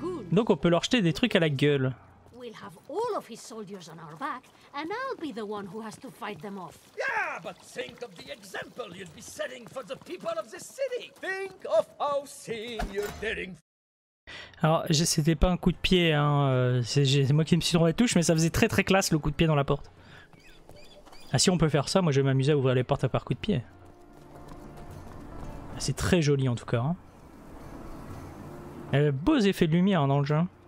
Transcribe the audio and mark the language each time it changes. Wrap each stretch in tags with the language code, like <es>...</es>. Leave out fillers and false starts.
<fr>Donc on peut leur jeter des trucs à la gueule.</fr> <en>We'll have all of his soldiers on our back, and I'll be the one who has to fight them off. Yeah, but think of the example you'd be setting for the people of the city. Think of how seen you're daring.</en> <fr>Alors, c'était pas un coup de pied, hein. C'est moi qui me suis trompé de touche, mais ça faisait très très classe le coup de pied dans la porte. Ah si on peut faire ça, moi je vais m'amuser à ouvrir les portes à par coup de pied. C'est très joli en tout cas. Hein. Elle a beaux effets de lumière dans le jeu.</fr>